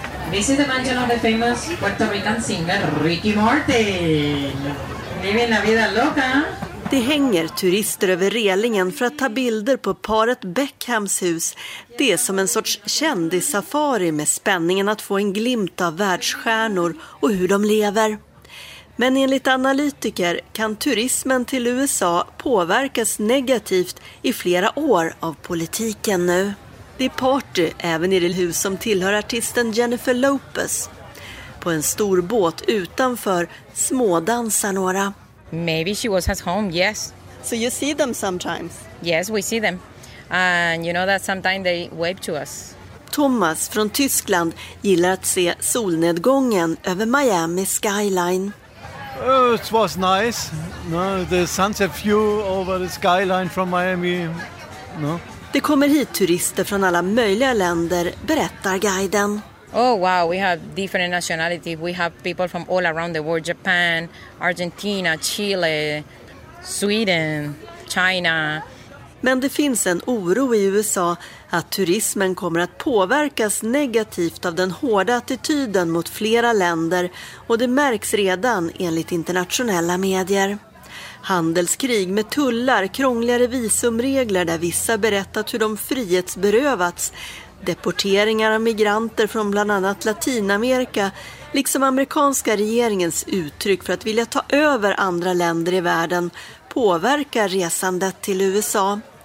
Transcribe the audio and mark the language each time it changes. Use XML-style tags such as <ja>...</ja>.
<en>This is the mansion of the famous Puerto Rican singer Ricky Martin.</en> <es>Vive la vida loca.</es> <sv>Det hänger turister över relingen för att ta bilder på paret Beckhams hus. Det är som en sorts kändissafari med spänningen att få en glimt av världsstjärnor och hur de lever. Men enligt analytiker kan turismen till USA påverkas negativt i flera år av politiken nu. Det är party även i det hus som tillhör artisten Jennifer Lopez. På en stor båt utanför smådansar några.</sv> <en>Maybe she was at home, yes. So you see them sometimes? Yes, we see them. And you know that sometimes they wave to us.</en> <sv>Thomas från Tyskland gillar att se solnedgången över Miami skyline.</sv> <en>It was nice. No, the sunset view over the skyline from Miami. No.</en> <sv>Det kommer hit turister från alla möjliga länder, berättar guiden.</sv> <en>Oh wow, we have different nationalities. We have people from all around the world, Japan, Argentina, Chile, Sweden, China.</en> <sv>Men det finns en oro i USA att turismen kommer att påverkas negativt av den hårda attityden mot flera länder, och det märks redan enligt internationella medier. Handelskrig med tullar, krångligare visumregler där vissa berättat hur de frihetsberövats, deporteringar av migranter från bland annat Latinamerika, liksom amerikanska regeringens uttryck för att vilja ta över andra länder i världen, påverkar resandet till USA.</sv>